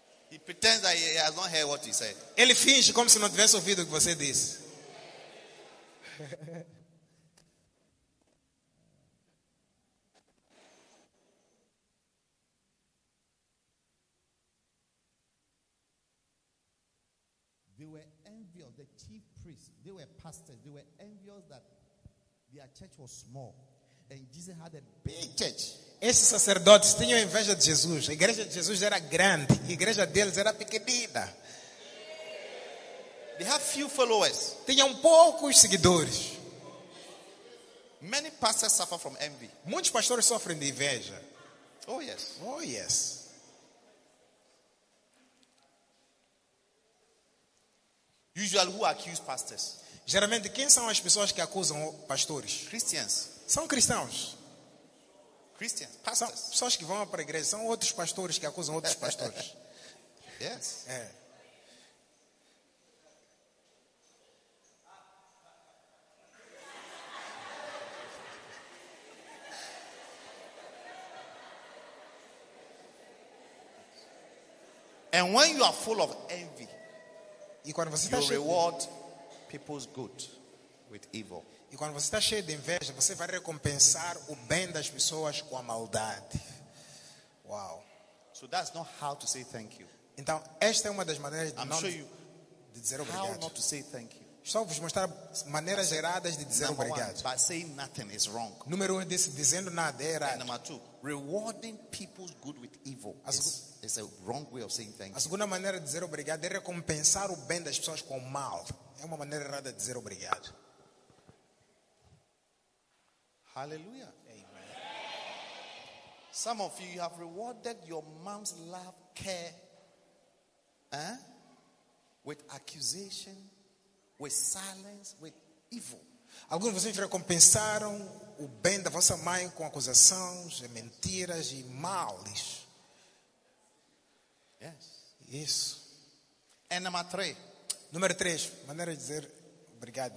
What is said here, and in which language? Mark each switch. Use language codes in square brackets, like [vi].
[en] He pretends that he has not heard what you said. [pt] Ele finge como se não tivesse ouvido o que você disse. [en] They were envious, the chief priests, they were pastors, they were envious that their church was small and Jesus had a big church. [pt] Esses sacerdotes tinham inveja de Jesus. A igreja de Jesus era grande, a igreja deles era pequenina. [en] They have few followers. [pt] Tinham poucos seguidores. [en] Many pastors suffer from envy. [pt] Muitos pastores sofrem de inveja. [en] Oh yes. Oh yes. Usually who accuse pastors? [pt] Geralmente quem são as pessoas que acusam pastores? [en] Christians. [pt] São cristãos. [en] Christians, pastors. [pt] São pessoas que vão para a igreja, são outros pastores que acusam outros pastores. [en] Yes. [pt] É. [en] And when you are full of envy, [pt] e quando você [en] you reward people's good with evil. [pt] E quando você está cheio de inveja, você vai recompensar o bem das pessoas com a maldade. [en] Wow. So that's not how to say thank you. [pt] Então, esta é uma das maneiras de, [en] I'm [pt] não [en] show you [pt] de dizer obrigado. [en] How not to say thank you. [pt] Só vos mostrar maneiras say, erradas de dizer obrigado. [en] One, by saying nothing is wrong. [pt] Número um, disse, dizendo nada é errado. [en] And number two, rewarding people's good with evil. It's a wrong way of saying thank you. [pt] A segunda maneira de dizer obrigado é recompensar o bem das pessoas com o mal. É uma maneira errada de dizer obrigado. [en] Hallelujah. Amen. Some of you have rewarded your mom's love, care, with accusation, with silence, with evil. [pt] Alguns de vocês recompensaram o bem da vossa mãe com acusações, mentiras e males. [en] Yes. [pt] Isso. [en] And number three. [pt] Número três, maneira de dizer obrigado.